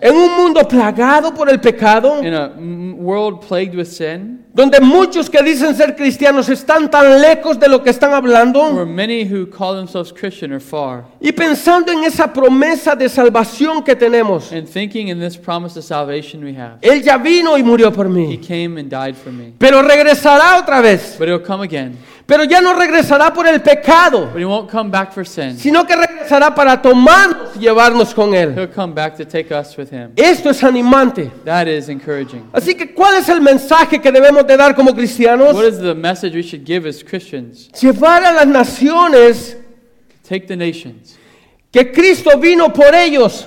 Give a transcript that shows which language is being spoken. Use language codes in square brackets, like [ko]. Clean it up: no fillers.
[es] En un mundo plagado por el pecado, [en] in a world plagued with sin, [es] donde muchos que dicen ser cristianos están tan lejos de lo que están hablando. [en] Where many who call themselves Christian are far. [es] Y pensando en esa promesa de salvación que tenemos. [en] And thinking in this promise of salvation we have. [es] Él ya vino y murió por mí. [en] He came and died for me. [es] Pero regresará otra vez. [en] But he'll come again. [es] Pero ya no regresará por el pecado. [en] But he won't come back for sin. [es] Sino que regresará para tomarnos y llevarnos con él. [en] He'll come back to take us with him. [es] Esto es animante. [en] That is encouraging. [es] Así que, ¿cuál es el mensaje que debemos de dar como cristianos? [en] What is the message we should give as Christians? [es] Llevar a las naciones. [en] Take the nations. [es] Que Cristo vino por ellos.